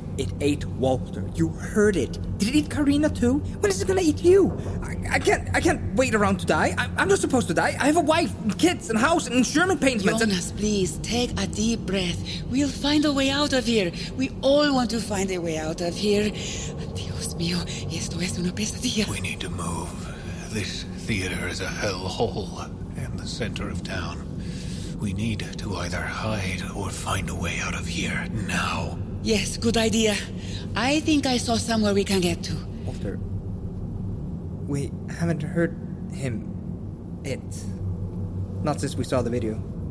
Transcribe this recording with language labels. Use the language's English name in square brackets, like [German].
[English] It ate Walter. You heard it. Did it eat Karina too? When is it gonna eat you? I can't wait around to die. I'm not supposed to die. I have a wife, and kids, and house, and insurance payments. Jonas, please, take a deep breath. We'll find a way out of here. We all want to find a way out of here. [Spanish] Dios mío, esto es una pesadilla. [English] We need to move. This theater is a hellhole in the center of town. We need to either hide or find a way out of here now. Yes, good idea. I think I saw somewhere we can get to. Walter, we haven't heard him. It. Not since we saw the video.